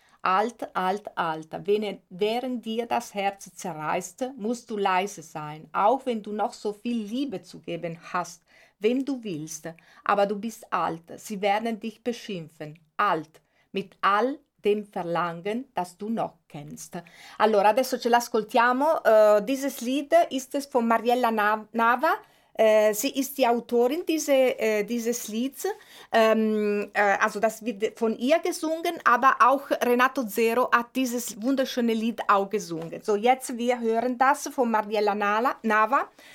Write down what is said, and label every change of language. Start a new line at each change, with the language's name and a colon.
German: Alt, alt, alt, während dir das Herz zerreißt, musst du leise sein, auch wenn du noch so viel Liebe zu geben hast, wenn du willst, aber du bist alt, sie werden dich beschimpfen, alt, mit all dem Verlangen, das du noch kennst.
Italian: Allora, adesso ce l'ascoltiamo.
German: Dieses Lied ist es von Mariella Nava. Sie ist die Autorin dieses Lieds, also das wird von ihr gesungen, aber auch Renato Zero hat dieses wunderschöne Lied auch gesungen. So, jetzt wir hören das von Mariella Nava.